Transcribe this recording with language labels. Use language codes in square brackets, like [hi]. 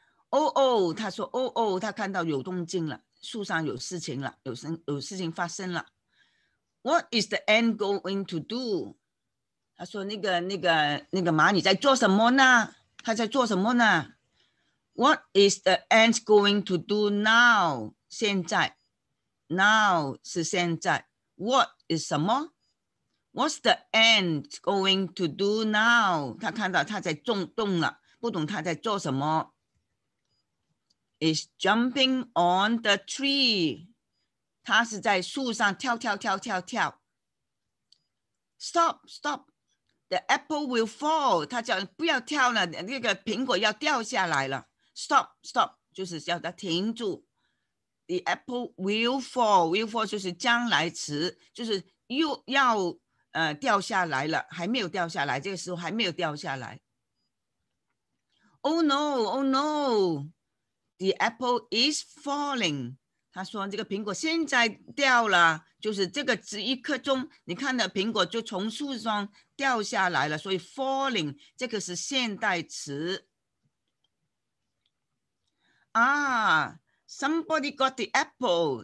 [zh] 哦哦，他说哦哦，他看到有动静了，树上有事情了，有事情发生了。 [en] What is the ant going to do？ [zh] 他说那个蚂蚁在做什么呢？他在做什么呢？ [en] What is the ant going to do now? [zh] 现在 [en] Now [zh] 是现在 [en] What is [zh] 什么 [en] What's the ant going to do now? [zh] 他看到他在动了不懂他在做什么 [en] Is jumping on the tree [zh] 他是在树上跳跳跳跳跳 [en] Stop, stop The apple will fall [zh] 他叫不要跳了那个苹果要掉下来了 [en] Stop, stop, [zh] 就是叫它停住。 [en] The apple will fall [zh] 就是将来词，就是又要掉下来了，还没有掉下来，这个时候还没有掉下来。 [en] Oh no, oh no, the apple is falling. [zh] 他说这个苹果现在掉了，就是这个只一刻钟，你看到苹果就从树上掉下来了，所以 falling 这个是现代词。 [en] Ah, somebody got the apple.